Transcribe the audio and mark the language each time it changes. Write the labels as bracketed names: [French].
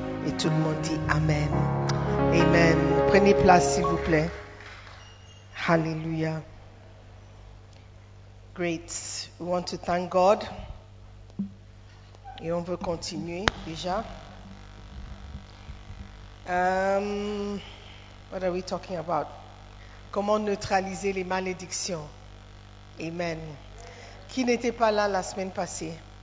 [French] Et tout le monde dit Amen. Amen. Prenez place, s'il vous plaît. Hallelujah. [English] Great. We want to thank God. [French] Et on veut continuer déjà. [English] What are we talking about? [French] Comment neutraliser les malédictions? Amen. Qui n'était pas là la semaine passée?